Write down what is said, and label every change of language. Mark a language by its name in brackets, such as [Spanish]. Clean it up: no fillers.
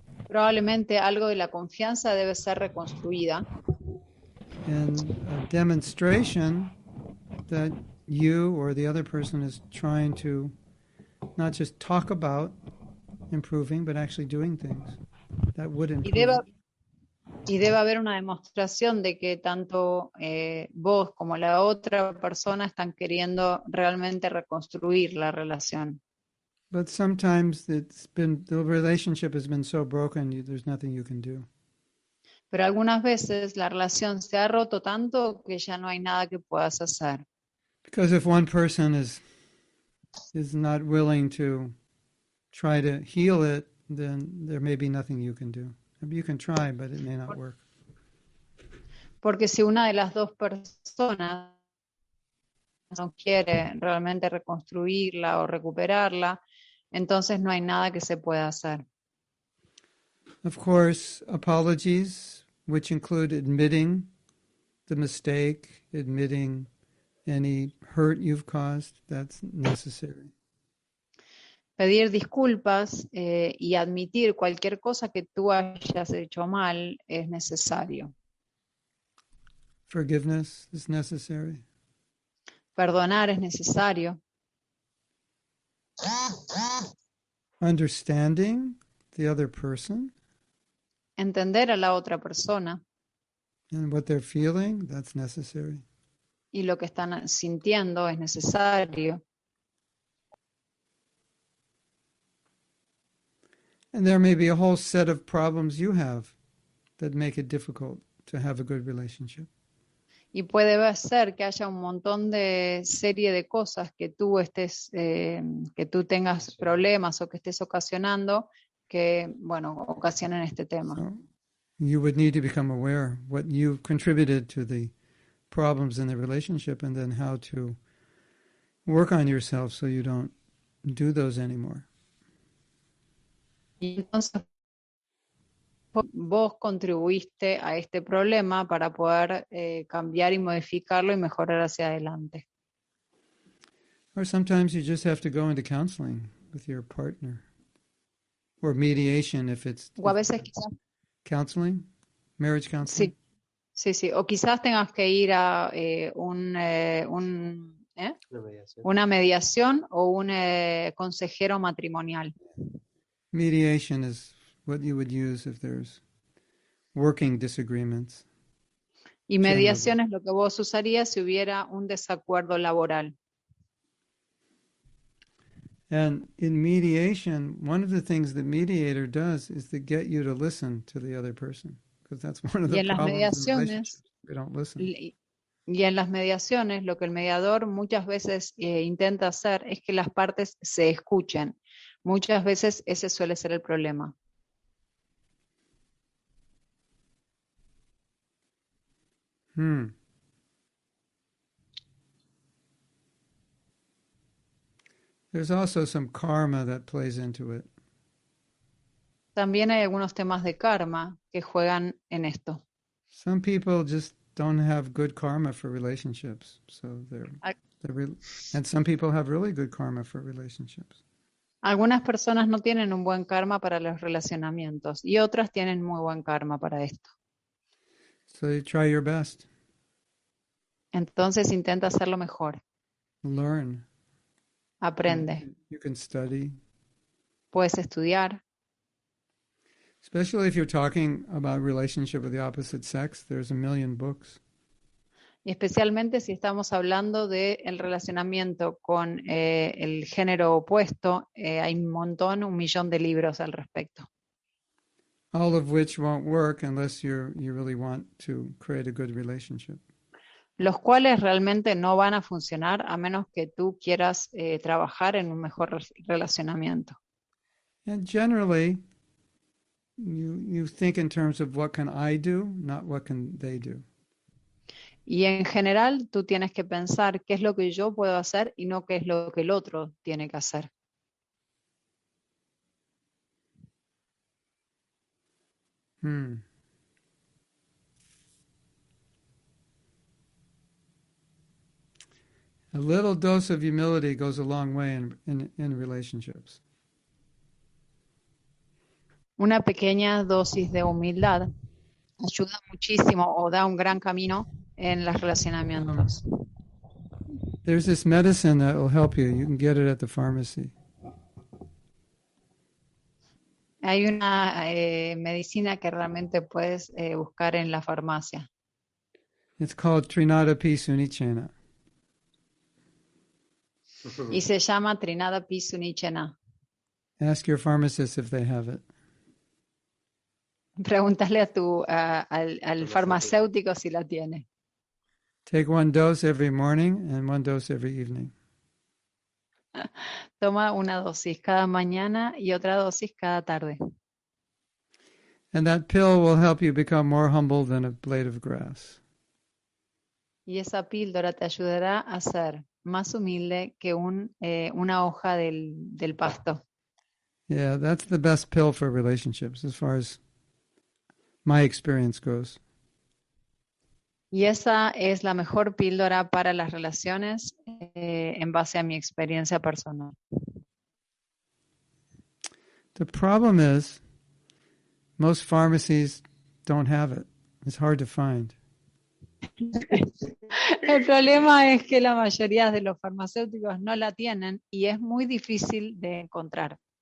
[Spanish] Probablemente algo de la confianza debe ser reconstruida. [English] And a demonstration that you or the other person is trying to not just talk about improving, but actually doing things that would improve. [Spanish] Y debe haber una demostración de que tanto vos como la otra persona están queriendo realmente reconstruir la relación. [English] But sometimes it's been, the relationship has been so broken, there's nothing you can do. [Spanish] Pero algunas veces la relación se ha roto tanto que ya no hay nada que puedas hacer. [English] Because if one person is not willing to try to heal it, then there may be nothing you can do. You can try, but it may not work. [Spanish] Porque si una de las dos personas no quiere realmente reconstruirla o recuperarla, entonces no hay nada que se pueda hacer. [English] Of course, apologies, which include admitting the mistake, admitting any hurt you've caused, that's necessary. [Spanish] Pedir disculpas y admitir cualquier cosa que tú hayas hecho mal es necesario. [English] Forgiveness is necessary. [Spanish] Perdonar es necesario. [English] Understanding the other person. [Spanish] Entender a la otra persona. [English] And what they're feeling, that's necessary. [Spanish] Y lo que están sintiendo es necesario. [English] And there may be a whole set of problems you have that make it difficult to have a good relationship. [Spanish] Y puede ser que haya un montón de serie de cosas que tú estés que tú tengas problemas o que estés ocasionando que bueno, ocasionen este tema. [English] So you would need to become aware what you've contributed to the problems in the relationship and then how to work on yourself so you don't do those anymore. [Spanish] Y entonces vos contribuiste a este problema para poder cambiar y modificarlo y mejorar hacia adelante. [English] Or sometimes you just have to go into counseling with your partner. Or mediation if it's [Spanish] o a veces quizás, [English] counseling, marriage counseling. [Spanish] Sí, sí, sí. O quizás tengas que ir a una mediación o un consejero matrimonial. [English] Mediation is what you would use if there's working disagreements. [Spanish] Y mediación es lo que vos usarías si hubiera un desacuerdo laboral. [English] And in mediation, one of the things the mediator does is to get you to listen to the other person, because that's one of the problems in relationships. We don't listen. [Spanish] Y en las mediaciones, lo que el mediador muchas veces intenta hacer es que las partes se escuchen. Muchas veces ese suele ser el problema. [English] There's also some karma that plays into it. [Spanish] También hay algunos temas de karma que juegan en esto. [English] Some people just don't have good karma for relationships, so and some people have really good karma for relationships. [Spanish] Algunas personas no tienen un buen karma para los relacionamientos y otras tienen muy buen karma para esto. [English] So you try your best. [Spanish] Entonces intenta hacerlo mejor. [English] Learn. [Spanish] Aprende. [English] You can study. [Spanish] Puedes estudiar. [English] Especially if you're talking about relationship with the opposite sex, there's a million books. [Spanish] Y especialmente si estamos hablando de el relacionamiento con el género opuesto, hay un millón de libros al respecto. [English] All of which won't work unless you really want to create a good relationship. [Spanish] Los cuales realmente no van a funcionar a menos que tú quieras trabajar en un mejor relacionamiento. [English] And generally, You think in terms of what can I do, not what can they do. [Spanish] Y en general, tú tienes que pensar qué es lo que yo puedo hacer y no qué es lo que el otro tiene que hacer. [English] A little dose of humility goes a long way in relationships. [Spanish] Una pequeña dosis de humildad ayuda muchísimo o da un gran camino en los relacionamientos. [English] There's this medicine that will help you. You can get it at the pharmacy. [Spanish] Hay una medicina que realmente puedes buscar en la farmacia. [English] It's called Trinadapisunichena. [Spanish] Y se llama Trinada Pisunichena. [English] Ask your pharmacist if they have it. [Spanish] Pregúntale a tu al farmacéutico si la tiene. [English] Take one dose every morning and one dose every evening. [Spanish] Toma una dosis cada mañana y otra dosis cada tarde. [English] And that pill will help you become more humble than a blade of grass. [Spanish] Y esa píldora te ayudará a ser más humilde que una hoja del pasto. [English] Yeah, that's the best pill for relationships, as far as my experience goes. [Spanish] Y esa es la mejor píldora para las relaciones, en base a mi experiencia personal. [English] The problem is, most pharmacies don't have it. It's hard to find. [Spanish] El problema es que la mayoría de los farmacéuticos no la tienen y es muy difícil de encontrar